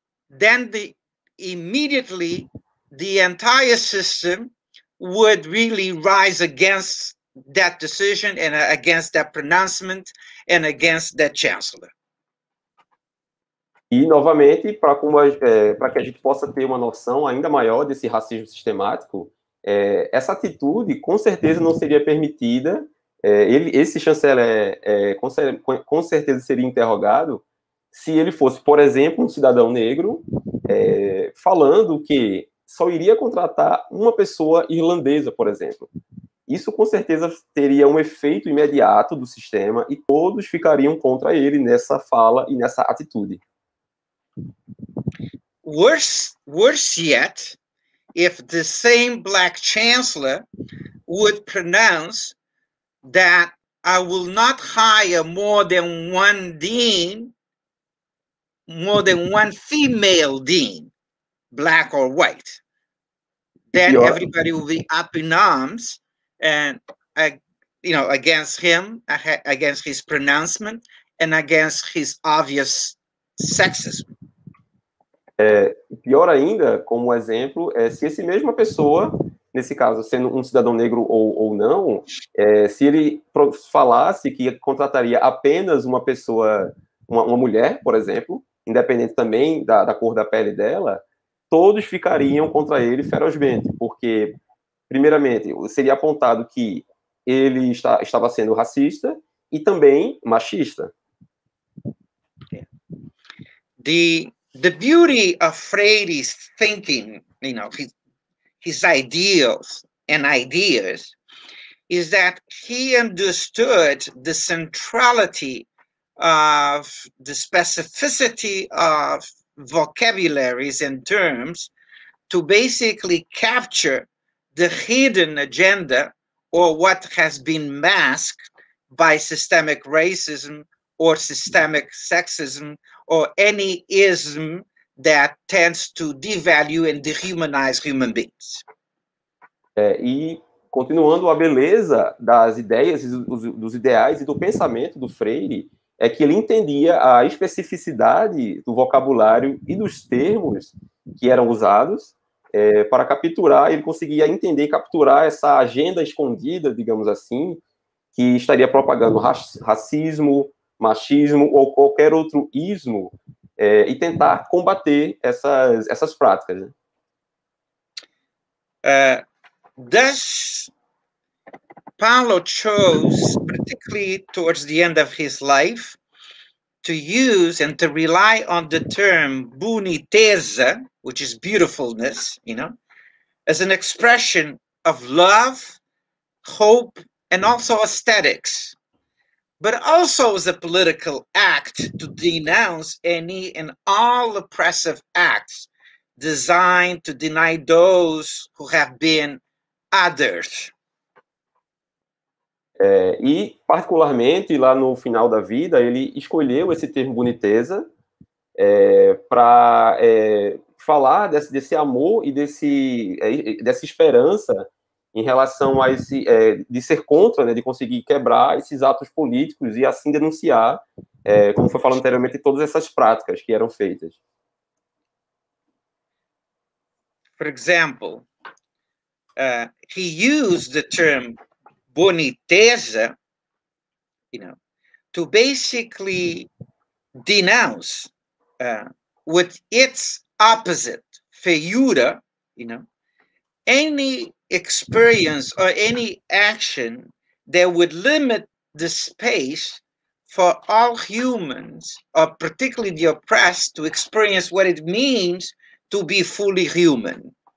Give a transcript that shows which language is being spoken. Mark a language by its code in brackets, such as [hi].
[en] then immediately the entire system would really rise against that decision and against that pronouncement and against that chancellor. [pt] E novamente, para que a gente possa ter uma noção ainda maior desse racismo sistemático, essa atitude com certeza não seria permitida. Esse chanceler com certeza seria interrogado se ele fosse, por exemplo, um cidadão negro falando que só iria contratar uma pessoa irlandesa, por exemplo. Isso com certeza teria um efeito imediato do sistema e todos ficariam contra ele nessa fala e nessa atitude. [en] Worse yet, if the same black chancellor would pronounce that I will not hire more than one dean, more than one female dean, black or white, then everybody will be up in arms and against him, against his pronouncement, and against his obvious sexism. [pt] Pior ainda, como exemplo, se essa mesma pessoa, nesse caso, sendo um cidadão negro ou não, se ele falasse que contrataria apenas uma pessoa, uma mulher, por exemplo, independente também da cor da pele dela, todos ficariam contra ele ferozmente, porque, primeiramente, seria apontado que ele estava sendo racista e também machista. [en] The beauty of Freire's thinking, his ideals and ideas, is that he understood the centrality of the specificity of vocabularies and terms to basically capture the hidden agenda or what has been masked by systemic racism or systemic sexism or any ism that tends to devalue and dehumanize human beings. [pt] E continuando, a beleza das ideias, dos ideais e do pensamento do Freire é que ele entendia a especificidade do vocabulário e dos termos que eram usados para capturar, ele conseguia entender e capturar essa agenda escondida, digamos assim, que estaria propagando racismo, machismo ou qualquer outro ismo, e tentar combater essas práticas. [en] Thus, Paulo chose, particularly towards the end of his life, to use and to rely on the term boniteza, which is beautifulness, as an expression of love, hope, and also aesthetics, but also as a political act to denounce any and all oppressive acts designed to deny those who have been others. [pt] E particularmente lá no final da vida, ele escolheu esse termo boniteza para falar desse amor e dessa esperança em relação a esse de ser contra, de conseguir quebrar esses atos políticos e assim denunciar, como foi falado anteriormente, todas essas práticas que eram feitas. [en] For example, he used the term boniteza, to basically denounce with its opposite, feiura, you know, any experience or any action that would limit the space for all humans, or particularly the oppressed, to experience what it means to be fully human.